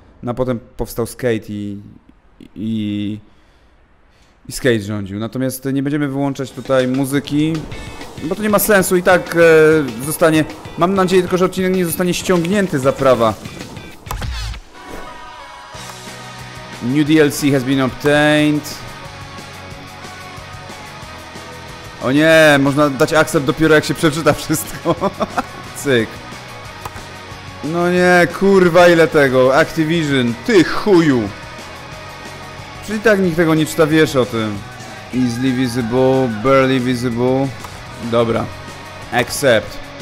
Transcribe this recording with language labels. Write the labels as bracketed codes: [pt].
[pl] No a potem powstał Skate i Skate rządził. Natomiast nie będziemy wyłączać tutaj muzyki, bo to nie ma sensu. I tak zostanie, mam nadzieję tylko, że odcinek nie zostanie ściągnięty za prawa. [en] New DLC has been obtained. [pl] O nie, można dać akcept dopiero jak się przeczyta wszystko. Cyk. No nie, kurwa, ile tego. Activision, ty chuju. Czyli tak nikt tego nie czyta, wiesz o tym. [en] Easily visible, barely visible. [pl] Dobra. [en] Accept.